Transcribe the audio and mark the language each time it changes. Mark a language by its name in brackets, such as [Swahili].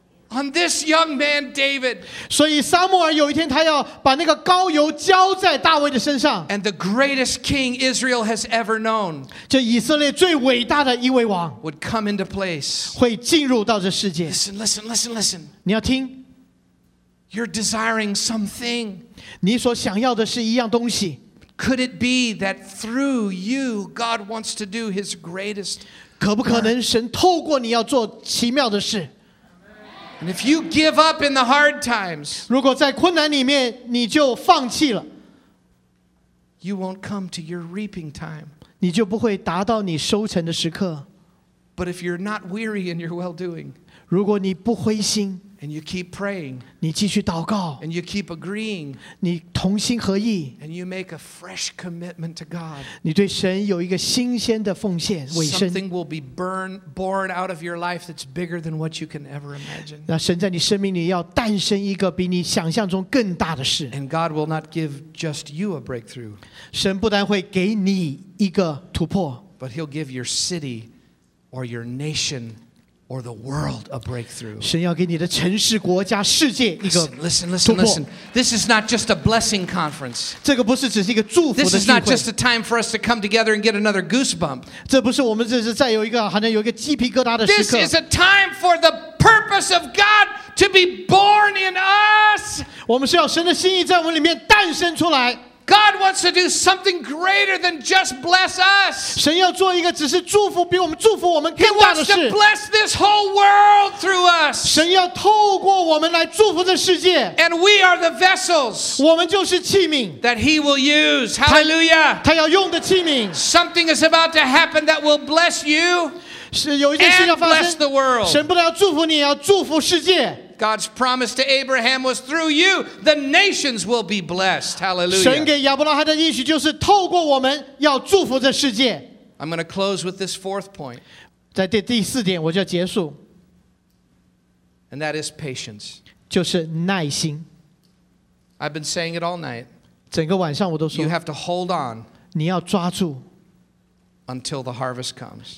[English] On this young man, David. [Chinese] 所以撒母耳有一天他要把那个膏油浇在大卫的身上。 [English] And the greatest king Israel has ever known. [Chinese] 这以色列最伟大的一位王。 [English] Would come into place. [Chinese] 会进入到这世界。 [English] Listen, listen, listen, listen. [Chinese] 你要听。 [English] You're desiring something. [Chinese] 你所想要的是一样东西。 [English] Could it be that through you, God wants to do His greatest? [Chinese] 可不可能神透过你要做奇妙的事？ [English] And if you give up in the hard times, [Chinese] 如果在困难里面你就放弃了 [English] you won't come to your reaping time. [Chinese] 你就不会达到你收成的时刻 [English] But if you're not weary in your well-doing, [Chinese] 如果你不灰心 [English] and you keep praying, [Chinese] 你继续祷告 [English] and you keep agreeing, [Chinese] 你同心合意 [English] and you make a fresh commitment to God, [Chinese] 你对神有一个新鲜的奉献委身 [English] something will be born out of your life that's bigger than what you can ever imagine. [Chinese] 那神在你生命里要诞生一个比你想象中更大的事 [English] and God will not give just you a breakthrough. [Chinese] 神不但会给你一个突破 [English] but he'll give your city or your nation or the world a breakthrough. [Chinese] 神要给你的城市、国家、世界一个突破。 [English] Listen. This is not just a blessing conference. [Chinese] 这个不是只是一个祝福的聚会。 [English] This is not just a time for us to come together and get another goosebump. [Chinese] 这不是我们这是再有一个好像有一个鸡皮疙瘩的时刻。 [English] This is a time for the purpose of God to be born in us. [Chinese] 我们是要神的心意在我们里面诞生出来。 [English] God wants to do something greater than just bless us. [Chinese] 神要做一个只是祝福比我们祝福我们更大的事。 [English] He wants to bless this whole world through us. [Chinese] 神要透过我们来祝福这世界。 [English] And we are the vessels. [Chinese] 我们就是器皿。 [English] That he will use. Hallelujah. [Chinese] 他要用的器皿。 [English] Something is about to happen that will bless you. [Chinese] 是有一件事要发生。 [English] And bless the world. [Chinese] 神不但要祝福你，要祝福世界。 [English] God's promise to Abraham was through you, the nations will be blessed. Hallelujah. [Chinese] 神给亚伯拉罕的应许就是透过我们要祝福这世界。 [English] I'm going to close with this fourth point. [Chinese] 在第四点我就要结束。 [English] And that is patience. [Chinese] 就是耐心。 [English] I've been saying it all night. [Chinese] 整个晚上我都说。 [English] You have to hold on. [Chinese] 你要抓住。 [English] Until the harvest comes.